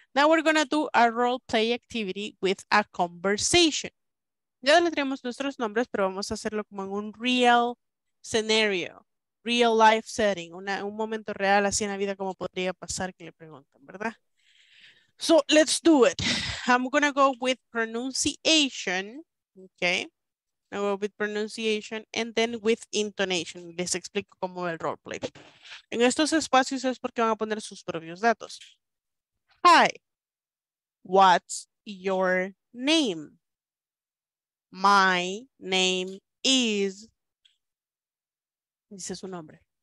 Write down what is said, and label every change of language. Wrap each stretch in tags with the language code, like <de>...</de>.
<en>Now we're going to do a role play activity with a conversation.</en> <es>Ya le traemos nuestros nombres, pero vamos a hacerlo como en un</es> <en>real scenario. Real life setting.</en> <es>Un momento real así en la vida como podría pasar que le preguntan, ¿verdad?</es> <en>So let's do it. I'm gonna go with pronunciation, okay? I'll go with pronunciation and then with intonation.</en> <es>Les explico cómo va el roleplay. En estos espacios es porque van a poner sus propios datos.</es> <en>Hi, what's your name? My name is.</en> <es>Dice su nombre.</es>